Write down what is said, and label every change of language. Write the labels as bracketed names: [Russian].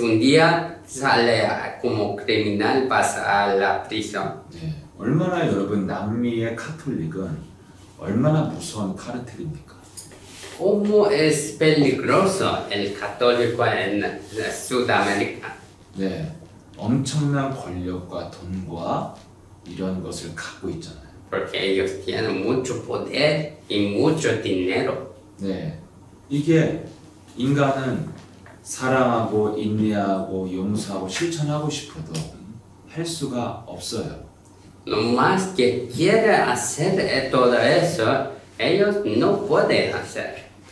[Spanish] Un día sale como criminal, pasa a la prisión. [Korean] 네, 얼마나 여러분 남미의 카톨릭은 얼마나 무서운 카르텔입니까? [Spanish] ¿Cómo es peligroso el católico en Sudamérica? [Korean] 네. 엄청난 권력과 돈과 이런 것을 갖고 있잖아요. [Spanish] Porque ellos tienen mucho poder y mucho dinero. [Korean] 네, 이게 인간은 사랑하고 인내하고 용서하고 실천하고 싶어도 할 수가 없어요. [Spanish] Lo más que quiere hacer todo eso, ellos no pueden hacer.